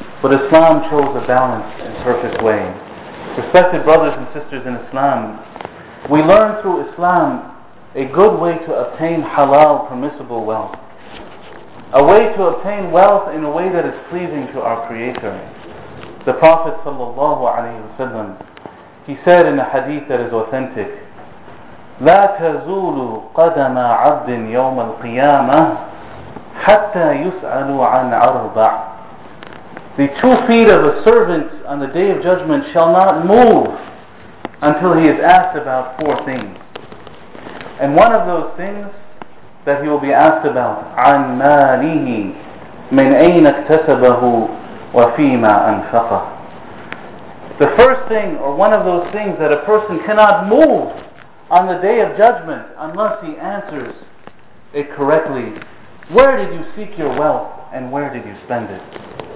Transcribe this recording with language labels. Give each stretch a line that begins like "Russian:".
English: But Islam chose a balanced and perfect way. Respected brothers and sisters in Islam, we learn through Islam a good way to obtain halal, permissible wealth. A way to obtain wealth in a way that is pleasing to our Creator. The Prophet ﷺ, he said in a hadith that is authentic,
Arabic: لَا تَزُولُ قَدَمَ عَبْدٍ يَوْمَ الْقِيَامَةِ حَتَّى يُسْأَلُ عَنْ أَرْبَعٍ.
English: The 2 feet of a servant on the Day of Judgment shall not move until he is asked about 4 things. And one of those things that he will be asked about,
Arabic: عَنْ مَالِهِ مِنْ أَيْنَ اكْتَسَبَهُ وَفِيمَا أَنْفَقَهُ.
English: The first thing, or one of those things that a person cannot move on the Day of Judgment unless he answers it correctly, where did you seek your wealth and where did you spend it?